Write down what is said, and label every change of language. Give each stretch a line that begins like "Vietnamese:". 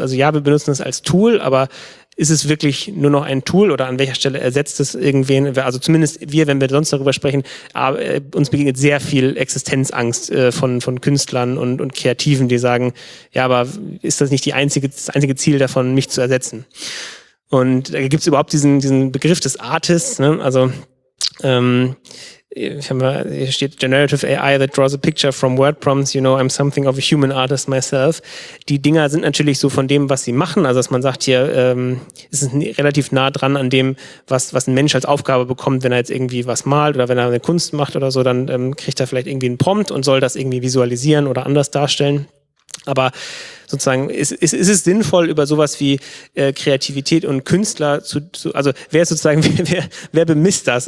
German: Also ja, wir benutzen das als Tool, aber ist es wirklich nur noch ein Tool oder an welcher Stelle ersetzt es irgendwen? Also zumindest wir, wenn wir sonst darüber sprechen, uns begegnet sehr viel Existenzangst von Künstlern und Kreativen, die sagen, ja, aber ist das nicht das einzige Ziel davon, mich zu ersetzen? Und da gibt es überhaupt diesen Begriff des Artists, ne? Also hier steht
English: Generative AI that draws a picture from word prompts, you know, I'm something of a human artist myself.
German: Die Dinger sind natürlich so von dem, was sie machen, also dass man sagt hier, ist es relativ nah dran an dem, was ein Mensch als Aufgabe bekommt, wenn er jetzt irgendwie was malt oder wenn er eine Kunst macht oder so, dann kriegt er vielleicht irgendwie einen Prompt und soll das irgendwie visualisieren oder anders darstellen. Aber sozusagen, ist es sinnvoll, über sowas wie Kreativität und Künstler zu also wer sozusagen, wer bemisst das?